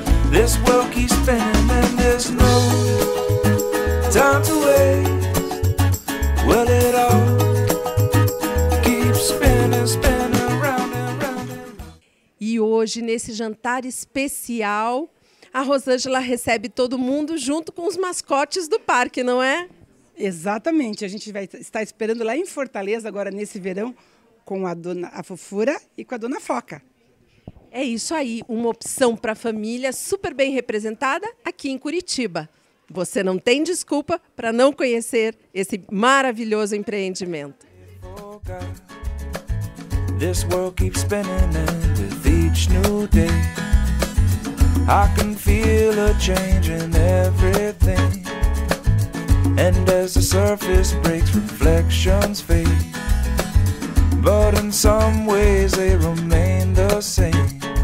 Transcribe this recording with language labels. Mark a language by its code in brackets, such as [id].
[en] This world keeps spinning and there's no time to waste. Well, it all keeps spinning, spinning round and round. [pt] E hoje, nesse jantar especial, a Rosângela recebe todo mundo junto com os mascotes do parque, não é? Exatamente. A gente vai estar esperando lá em Fortaleza, agora nesse verão, com a dona a Fofura e com a dona Foca. É isso aí, uma opção para a família super bem representada aqui em Curitiba. Você não tem desculpa para não conhecer esse maravilhoso empreendimento. [en] This world keeps spinning and with each new day I can feel a change in everything. And as the surface breaks, reflections fade, but in some ways they remain the same.